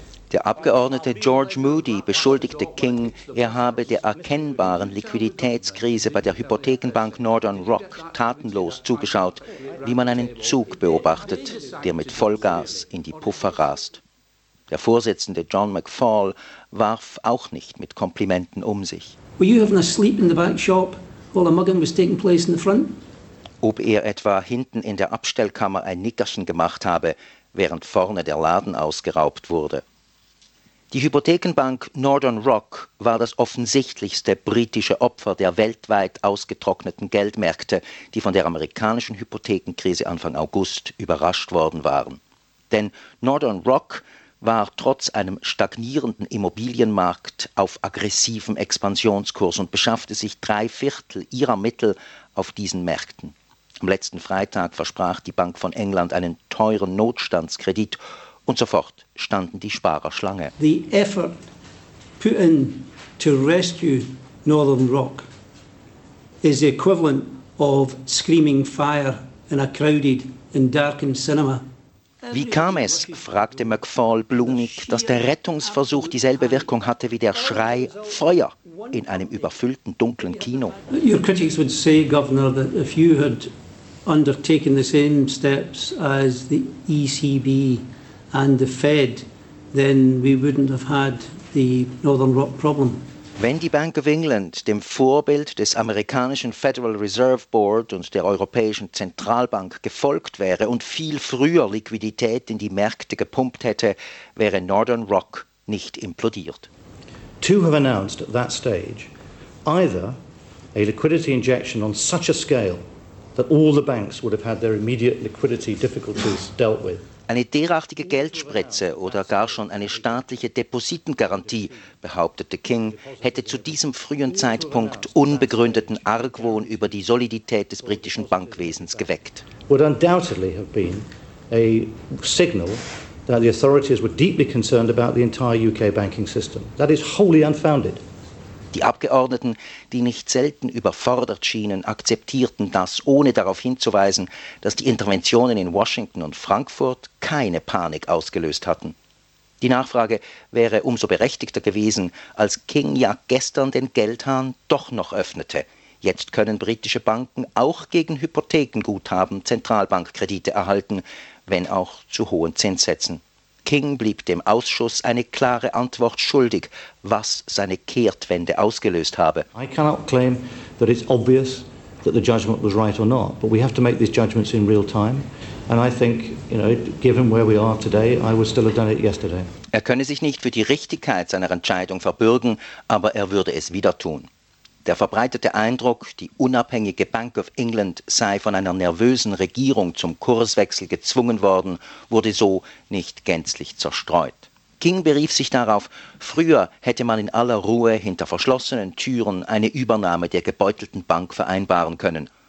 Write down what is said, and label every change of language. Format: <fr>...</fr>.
<de>Der Abgeordnete George Moody beschuldigte King, er habe der erkennbaren Liquiditätskrise bei der Hypothekenbank Northern Rock tatenlos zugeschaut, wie man einen Zug beobachtet, der mit Vollgas in die Puffer rast. Der Vorsitzende John McFall warf auch nicht mit Komplimenten um sich.</de> <en>Were you having a sleep in the back shop while a mugging was taking place in the front?</en> <de>Ob er etwa hinten in der Abstellkammer ein Nickerchen gemacht habe, während vorne der Laden ausgeraubt wurde. Die Hypothekenbank Northern Rock war das offensichtlichste britische Opfer der weltweit ausgetrockneten Geldmärkte, die von der amerikanischen Hypothekenkrise Anfang August überrascht worden waren. Denn Northern Rock war trotz einem stagnierenden Immobilienmarkt auf aggressivem Expansionskurs und beschaffte sich 3/4 ihrer Mittel auf diesen Märkten. Am letzten Freitag versprach die Bank von England einen teuren Notstandskredit und sofort standen die Sparer Schlange.</de> <en>The effort put in to rescue Northern Rock is the equivalent of screaming fire in a crowded and darkened cinema.</en> <de>Wie kam es, fragte McFall blumig, dass der Rettungsversuch dieselbe Wirkung hatte wie der Schrei Feuer in einem überfüllten dunklen Kino?</de> <en>Your critics would say, Governor, that if you had undertaken the same steps as the ECB and the Fed, then we wouldn't have had the Northern Rock problem.</en> <de>Wenn die Bank of England dem Vorbild des amerikanischen Federal Reserve Board und der Europäischen Zentralbank gefolgt wäre und viel früher Liquidität in die Märkte gepumpt hätte, wäre Northern Rock nicht implodiert.</de> <en>to have announced at that stage either a liquidity injection on such a scale that all the banks would have had their immediate liquidity difficulties dealt with.</en> <de>Eine derartige Geldspritze oder gar schon eine staatliche Depositengarantie, behauptete King, hätte zu diesem frühen Zeitpunkt unbegründeten Argwohn über die Solidität des britischen Bankwesens geweckt.</de> <en>Would undoubtedly have been a signal that the authorities were deeply concerned about the entire UK banking system. That is wholly unfounded.</en> <de>Die Abgeordneten, die nicht selten überfordert schienen, akzeptierten das, ohne darauf hinzuweisen, dass die Interventionen in Washington und Frankfurt keine Panik ausgelöst hatten. Die Nachfrage wäre umso berechtigter gewesen, als King ja gestern den Geldhahn doch noch öffnete. Jetzt können britische Banken auch gegen Hypothekenguthaben Zentralbankkredite erhalten, wenn auch zu hohen Zinssätzen. King blieb dem Ausschuss eine klare Antwort schuldig, was seine Kehrtwende ausgelöst habe.</de> <en>I cannot claim that it's obvious that the judgment was right or not, but we have to make these judgments in real time. And I think, you know, given where we are today, I would still have done it yesterday.</en> <de>Er könne sich nicht für die Richtigkeit seiner Entscheidung verbürgen, aber er würde es wieder tun. Der verbreitete Eindruck, die unabhängige Bank of England sei von einer nervösen Regierung zum Kurswechsel gezwungen worden, wurde so nicht gänzlich zerstreut. King berief sich darauf, früher hätte man in aller Ruhe hinter verschlossenen Türen eine Übernahme der gebeutelten Bank vereinbaren können.</de>